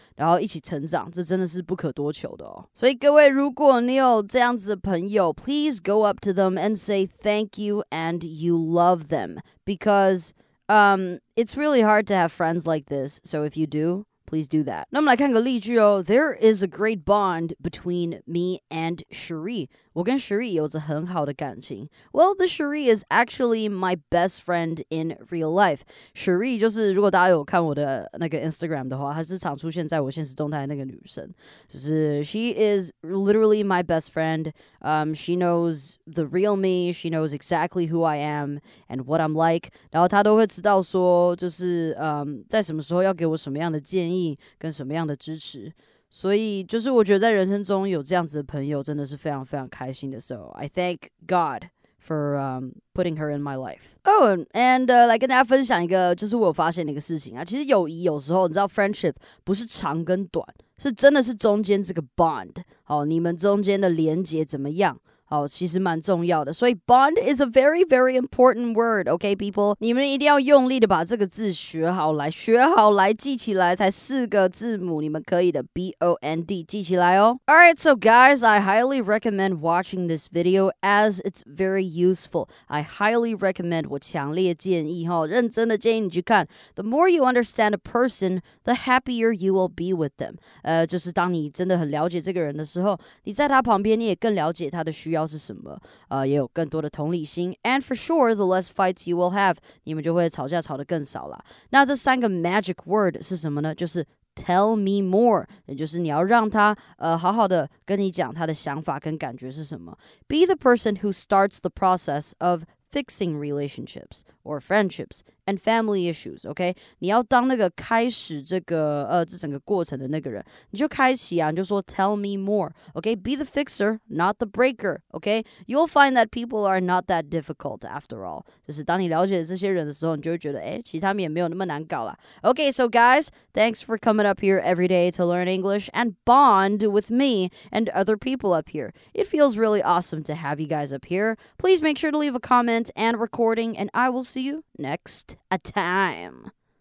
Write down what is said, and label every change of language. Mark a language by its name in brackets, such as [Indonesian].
[Chinese] 然后一起成长这真的是不可多求的哦所以各位如果你有这样子的朋友 [English] please go up to them and say thank you and you love them because it's really hard to have friends like this so if you do please do that [Chinese] 那我们来看个例句哦 [English] there is a great bond between me and Sheree [Chinese] 我跟 Sheree 有着很好的感情。 [English] Well, the Sheree is actually my best friend in real life. [Chinese] Sheree 就是如果大家有看我的那个 Instagram 的话，她是常出现在我现实动态的那个女生。 [English] 就是 She is literally my best friend. She knows the real me. She knows exactly who I am and what I'm like. [Chinese] 然后她都会知道说，就是在什么时候要给我什么样的建议跟什么样的支持。所以就是我觉得在人生中有这样子的朋友真的是非常非常开心的。 [English] So I thank God for putting her in my life. Oh, and [Chinese] 来跟大家分享一个就是我有发现的一个事情啊。其实友谊有时候你知道 friendship 不是长跟短，是真的是中间这个 bond。好，你们中间的连结怎么样？好，其实蛮重要的。 [English] 所以 bond is a very, very important word, okay, people? [Chinese] 你们一定要用力的把这个字学好来，学好来，记起来，才四个字母，你们可以的 ,B-O-N-D, 记起来哦。 [English] Alright, so guys, I highly recommend watching this video as it's very useful. I highly recommend, [Chinese] 我强烈建议哦，认真的建议你去看。 [English] The more you understand a person, the happier you will be with them. [Chinese] 就是当你真的很了解这个人的时候，你在他旁边，你也更了解他的需要是什么，也有更多的同理心。 [English] And for sure, the less fights you will have, [Chinese] 你们就会吵架吵得更少了。那这三个 magic word 是什么呢？就是 [English] tell me more, [Chinese] 也就是你要让他好好的跟你讲他的想法跟感觉是什么。 [English] Be the person who starts the process of fixing relationships or friendships and family issues, okay? [Chinese] 你要当那个开始这个这整个过程的那个人，你就开启啊，你就说 [English] tell me more, okay? Be the fixer, not the breaker, okay? You'll find that people are not that difficult after all. [Chinese] 就是当你了解这些人的时候，你就会觉得哎，其实他们也没有那么难搞啦。 [English] Okay, so guys, thanks for coming up here every day to learn English and bond with me and other people up here. It feels really awesome to have you guys up here. Please make sure to leave a comment and recording, and I will see you next time.